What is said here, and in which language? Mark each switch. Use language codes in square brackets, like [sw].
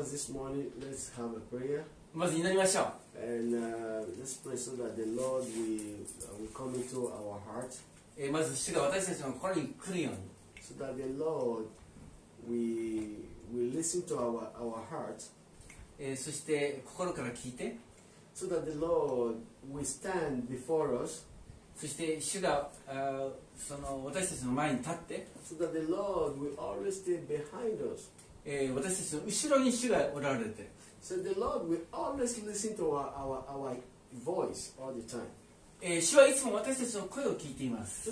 [en] First this morning, let's have a prayer. [ja] まず祈りましょう。 [en] And let's pray so that the Lord will come into our heart. [ja] まず主が私たちの心に来るように。 [en] So that the Lord, we listen to our heart. [ja] そして心から聞いて。 [en] So that the Lord, we stand before us. [ja] そして主が、その私たちの前に立って。 [en] So that the Lord, we always stay behind us. [ja] 私たちの後ろに主がおられて。 [en] So the Lord, we always listen to our voice all the time. [ja] 主はいつも私たちの声を聞いています。